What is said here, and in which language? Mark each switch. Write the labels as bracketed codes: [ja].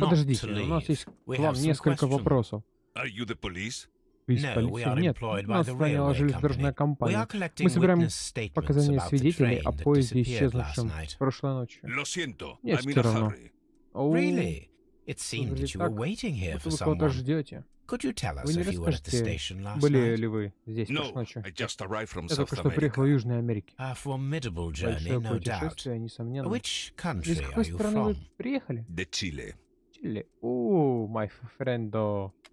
[ru] Подождите, у нас есть к вам несколько вопросов. [en] Are you the police? No, we are employed by the railway company. Company. We are collecting witness statements about the train that disappeared last night. [ru] Прошлой ночью. Прошлой ночью. [es] Lo siento, [en] I'm in a hurry. Really? It seemed that you were waiting here for someone. Could you tell us if you were at the station last night? [ru] Были ли вы здесь прошлой ночью? [en] No, I just arrived from South America. [ru] Я только что приехал из Южной Америки. [en] A formidable journey, no doubt. [ru] Большое путешествие, несомненно. [en] Which country are you from? [ru] Из какой страны вы приехали? [es] De Chile. [en] Chile. My friendo.